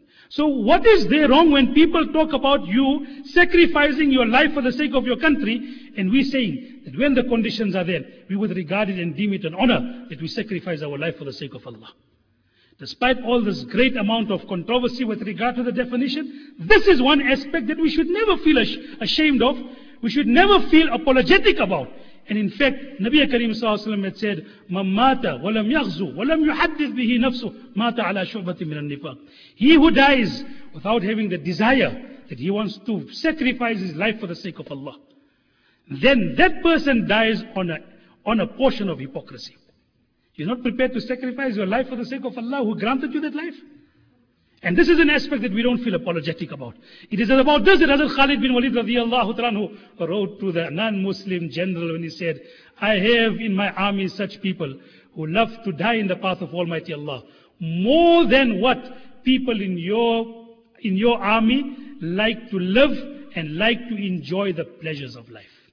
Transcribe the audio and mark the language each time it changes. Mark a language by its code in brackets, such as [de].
[en] So what is there wrong when people talk about you sacrificing your life for the sake of your country, and we saying that when the conditions are there, we would regard it and deem it an honor that we sacrifice our life for the sake of Allah. Despite all this great amount of controversy with regard to the definition, this is one aspect that we should never feel ashamed of, we should never feel apologetic about. And in fact, Nabi Karim s.a.w. had said, [ar] مَن مَاتَ وَلَمْ يَغْزُ وَلَمْ يُحَدِّثْ بِهِ نَفْسُ مَاتَ عَلَى شُعْبَةٍ مِنَ النِّفَاقِ. [en] He who dies without having the desire that he wants to sacrifice his life for the sake of Allah, then that person dies on a portion of hypocrisy. You're not prepared to sacrifice your life for the sake of Allah who granted you that life? And this is an aspect that we don't feel apologetic about. It is about this that Hazrat Khalid bin Walid radiallahu ta'anhu wrote to the non-Muslim general when he said, I have in my army such people who love to die in the path of Almighty Allah more than what people in your army like to live and like to enjoy the pleasures of life.